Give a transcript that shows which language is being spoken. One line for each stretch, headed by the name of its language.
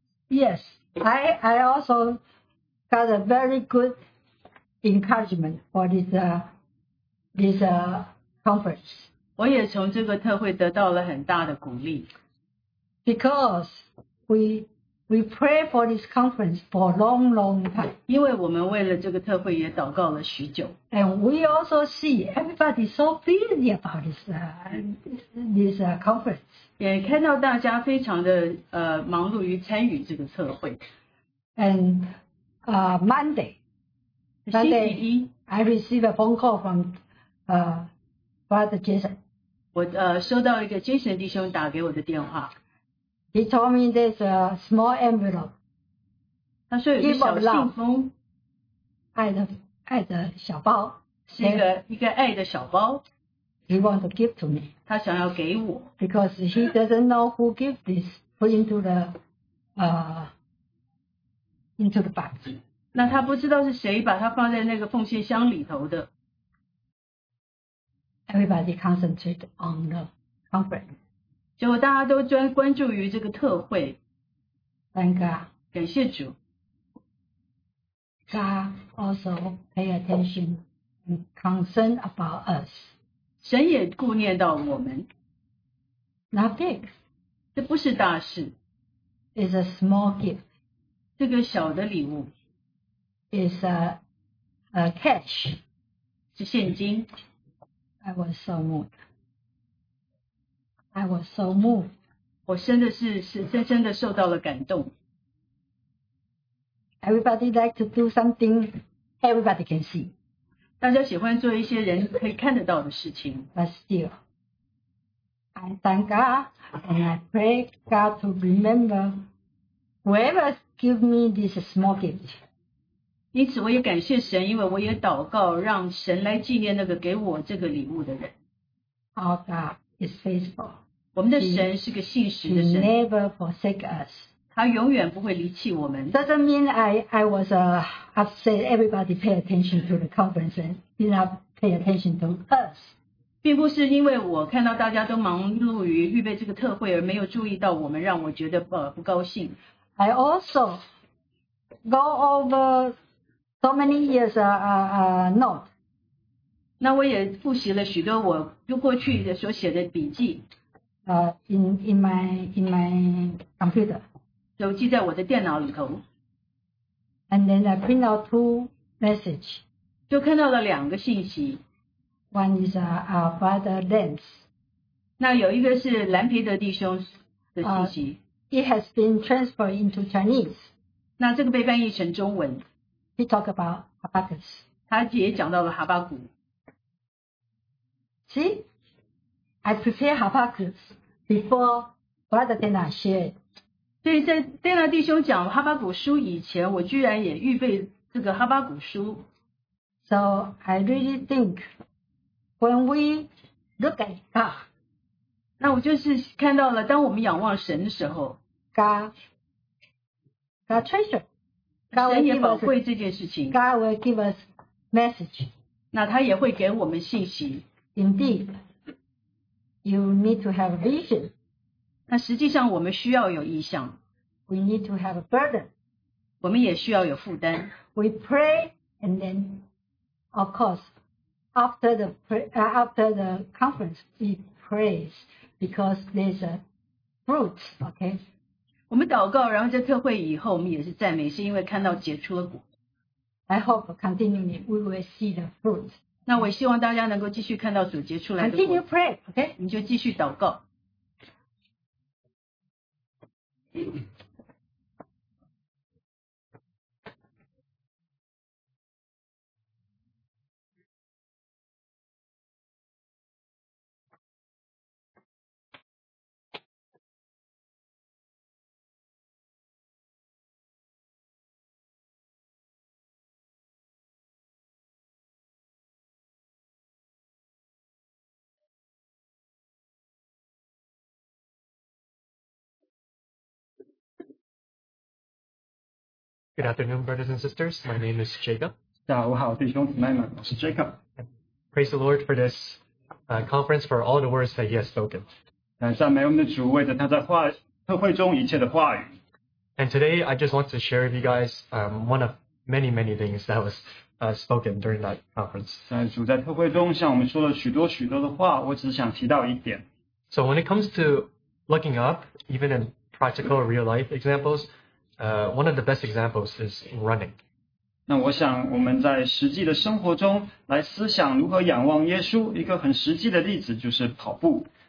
English: Yes, I also got a very good encouragement for this conference.
Chinese: 我也从这个特会得到了很大的鼓励。
English: Because we pray for this conference for a long, long time.
Chinese: 因为我们为了这个特会也祷告了许久。
English: And we also see everybody so busy about this conference.
Chinese: 也看到大家非常的忙碌于参与这个特会。
English: And Monday, I received a phone call from Brother Jason.
Chinese: 我收到一个 Jason 弟兄打给我的电话。
English: He told me there's a small envelope.
Chinese: 他说有一个小信封，爱的小包，是一个爱的小包。
English: He wants to give to me.
Chinese: 他想要给我。
English: Because he doesn't know who gives this, put into the box.
Chinese: 那他不知道是谁把它放在那个奉献箱里头的。
English: Everybody concentrate on the conference.
Chinese: 结果大家都关注于这个特会。
English: Thank God.
Chinese: 感谢主。
English: God also pay attention and concern about us.
Chinese: 神也顾念到我们。
English: Not big.
Chinese: 这不是大事。
English: It's a small gift.
Chinese: 这个小的礼物。
English: It's a cash.
Chinese: 是现金。
English: I was so moved. I was so moved.
Chinese: 我深深的受到了感动。
English: Everybody like to do something everybody can see.
Chinese: 大家喜欢做一些人可以看得到的事情。
English: But still, I thank God and I pray God to remember whoever give me this small gift.
Chinese: 因此我也感谢神，因为我也祷告，让神来纪念那个给我这个礼物的人。
English: Our God is faithful.
Chinese: 我们的神是个信实的神。
English: He never forsake us.
Chinese: 他永远不会离弃我们。
English: Doesn't mean I was upset. Everybody pay attention to the conference and did not pay attention to us.
Chinese: 并不是因为我看到大家都忙碌于预备这个特会而没有注意到我们，让我觉得不高兴。
English: I also go over so many years note.
Chinese: 那我也复习了许多我过去的所写的笔记。
English: In my computer.
Chinese: 都记在我的电脑里头。
English: And then I print out two messages.
Chinese: 就看到了两个信息。
English: One is our brother Lance.
Chinese: 那有一个是蓝皮德弟兄的信息。
English: He has been transferred into Chinese.
Chinese: 那这个被翻译成中文。
English: He talked about Habakkuk.
Chinese: 他也讲到了哈巴谷。
English: See, I prepare Habakkuk before Brother Dana shared.
Chinese: 所以在 Dana 弟兄讲哈巴谷书以前，我居然也预备这个哈巴谷书。
English: So I really think when we look at God.
Chinese: 那我就是看到了，当我们仰望神的时候
English: ，God treasure.
Chinese: God 也宝贵这件事情。
English: God will give us message.
Chinese: 那他也会给我们信息。
English: Indeed, you need to have a vision.
Chinese: 那实际上我们需要有意向。
English: We need to have a burden.
Chinese: 我们也需要有负担。
English: We pray and then, of course, after the conference, we praise because there's a fruit, okay?
Chinese: 我们祷告，然后在特会以后，我们也是赞美，是因为看到结出了果。
English: I hope continually we will see the fruit.
Chinese: 那我希望大家能够继续看到主结出来的果。
English: Continue pray, okay?
Chinese: 你就继续祷告。
English: Good afternoon, brothers and sisters. My name is Jacob.
Chinese: 大家好，弟兄姊妹们，我是 Jacob.
English: Praise the Lord for this conference, for all the words that he has spoken.
Chinese: 感谢美我们的主，为着他在特会中一切的话语。
English: And today, I just want to share with you guys one of many, many things that was spoken during that conference.
Chinese: 主在特会中向我们说了许多许多的话，我只想提到一点。
English: So when it comes to looking up, even in practical real life examples,one of the best examples is running.
Chinese: 那我想我们在实际的生活中来思想如何仰望耶稣，一个很实际的例子就是跑步。